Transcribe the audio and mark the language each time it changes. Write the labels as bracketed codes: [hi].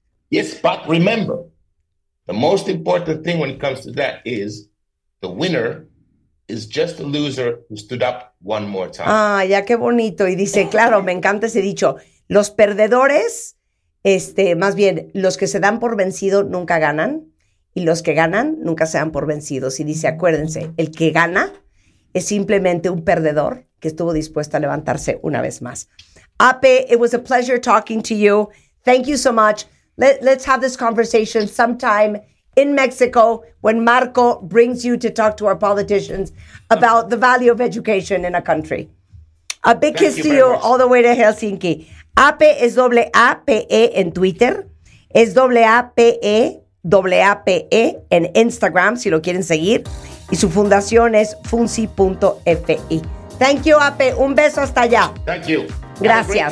[en] Yes, but remember, the most important thing when it comes to that is the winner is just a loser who stood up one more time. [es] Ah, ya qué bonito. Y dice, claro, me encanta ese dicho. Los perdedores, más bien, los que se dan por vencido nunca ganan. Y los que ganan nunca se dan por vencidos. Y dice, acuérdense, el que gana es simplemente un perdedor que estuvo dispuesto a levantarse una vez más. [en] Ape, it was a pleasure talking to you. Thank you so much. Let's have this conversation sometime in Mexico when Marco brings you to talk to our politicians about the value of education in a country. A big Thank kiss you to you much. All the way to Helsinki. [es] Ape es doble A-P-E en Twitter. Es doble A-P-E en Instagram, si lo quieren seguir. Y su fundación es funci.fi. [en] Thank you, Ape. [es] Un beso hasta allá. [en] Thank you. [es] Gracias.